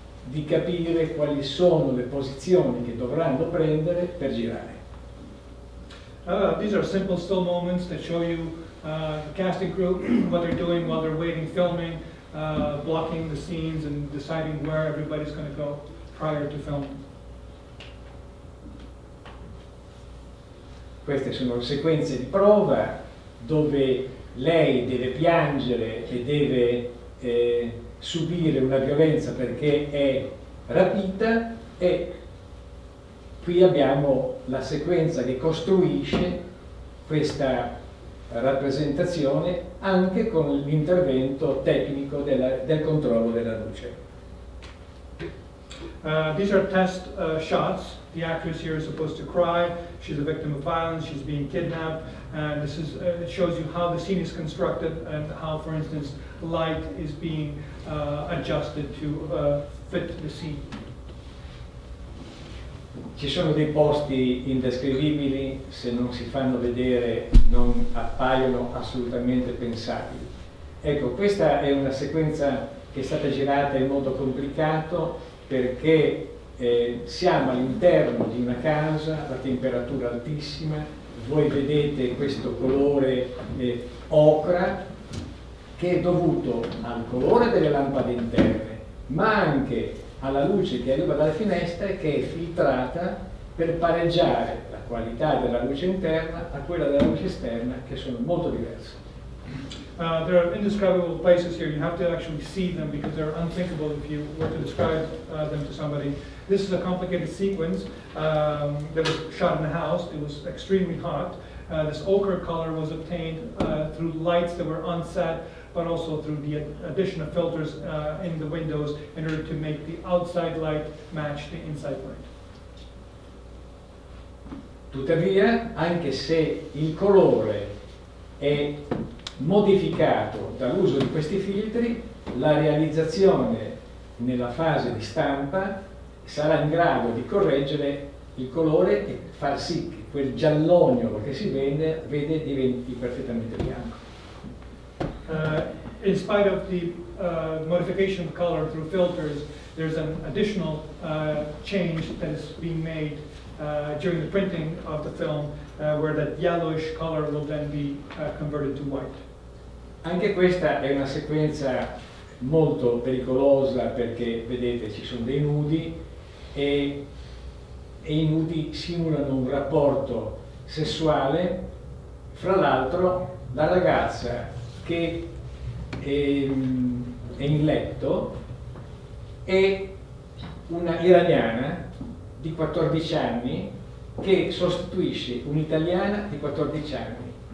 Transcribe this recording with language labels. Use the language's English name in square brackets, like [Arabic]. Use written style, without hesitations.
[Italian] di capire quali sono le posizioni che dovranno prendere per girare. [English] These are simple still moments that show you the casting crew, what they're doing while they're waiting, filming, blocking the scenes and deciding where everybody's going to go prior to filming. [Italian] Queste sono le sequenze di prova dove lei deve piangere e deve subire una violenza perché è rapita, e qui abbiamo la sequenza che costruisce questa rappresentazione anche con l'intervento tecnico del controllo della luce. [English] These are test shots. The actress here is supposed to cry. She's a victim of violence. She's being kidnapped. And this is, it shows you how the scene is constructed and how, for instance, light is being adjusted to fit the scene. [Italian] Ci sono dei posti indescrivibili, se non si fanno vedere non appaiono assolutamente pensabili. Ecco, questa è una sequenza che è stata girata in modo complicato perché siamo all'interno di una casa, la temperatura altissima, voi vedete questo colore ocra che è dovuto al colore delle lampade interne, ma anche alla luce che arriva dalle finestre, che è filtrata per pareggiare la qualità della luce interna a quella della luce esterna, che sono molto diverse. [English] There are indescribable places here. You have to actually see them because they're unthinkable if you were to describe them to somebody. This is a complicated sequence that was shot in the house. It was extremely hot. This ochre color was obtained through lights that were on set, but also through the addition of filters in the windows in order to make the outside light match the inside light. [Italian] Tuttavia, anche se il colore è modificato dall'uso di questi filtri, la realizzazione nella fase di stampa sarà in grado di correggere il colore e far sì che quel giallogno che si vede diventi perfettamente bianco. [English] In spite of the modification of color through filters, there's an additional change that is being made during the printing of the film, where that yellowish color will then be converted to white. [Italian] Anche questa è una sequenza molto pericolosa perché, vedete, ci sono dei nudi e i nudi simulano un rapporto sessuale. Fra l'altro, la ragazza che è in letto è una iraniana di 14 anni che sostituisce un'italiana di 14 anni.